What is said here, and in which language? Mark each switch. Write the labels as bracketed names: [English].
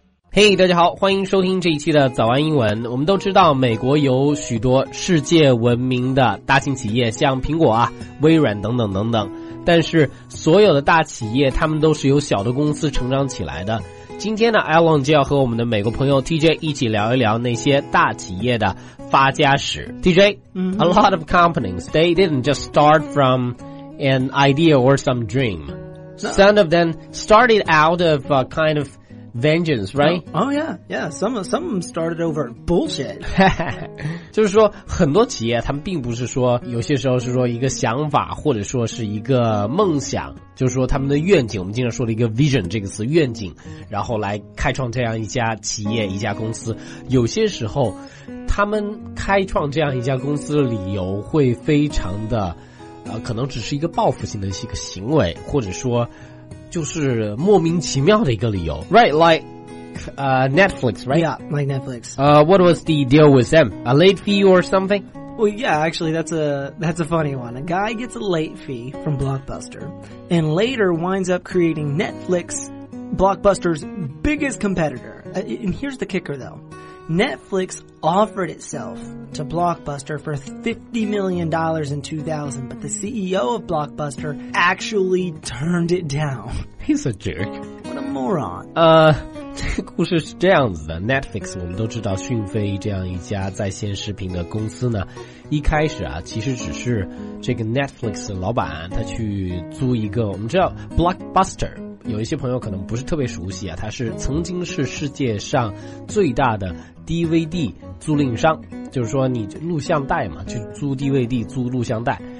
[Chinese] 嘿、hey, 大家好，欢迎收听这一期的早安英文。我们都知道美国有许多世界闻名的大型企业，像苹果啊、微软等等等等，但是所有的大企业他们都是由小的公司成长起来的。今天呢， Alan 就要和我们的美国朋友 TJ 一起聊一聊那些大企业的发家史。 [English] TJ、A lot of companies, they didn't just start from an idea or some dream. Some of them started out of a kind ofVengeance, right? Oh, yeah. Some started over bullshit. [Chinese] 就是说很多企业他们并不是说有些时候是说一个想法或者说是一个梦想，就是说他们的愿景，我们经常说的一个 vision 这个词，愿景，然后来开创这样一家企业一家公司。有些时候他们开创这样一家公司的理由会非常的可能只是一个报复性的一个行为，或者说就是莫名其妙的一个理由。 [English] Right, like Netflix, right? Yeah, like Netflix. What was the deal with them? A late fee or something? Well, yeah, actually, that's a funny one. A guy gets a late fee from Blockbuster and later winds up creating Netflix, Blockbuster's biggest competitor. And here's the kicker, though. Netflix offered itself to Blockbuster for $50 million in 2000, but the CEO of Blockbuster actually turned it down. He's a jerk. What a moron. [Chinese] 这个故事是这样子的。 Netflix 我们都知道，讯飞这样一家在线视频的公司呢，一开始啊，其实只是这个 Netflix 的老板他去租一个，我们知道 Blockbuster有一些朋友可能不是特别熟悉啊，它是曾经是世界上最大的 DVD 租赁商，就是说你录像带嘛，去租 DVD 租录像带。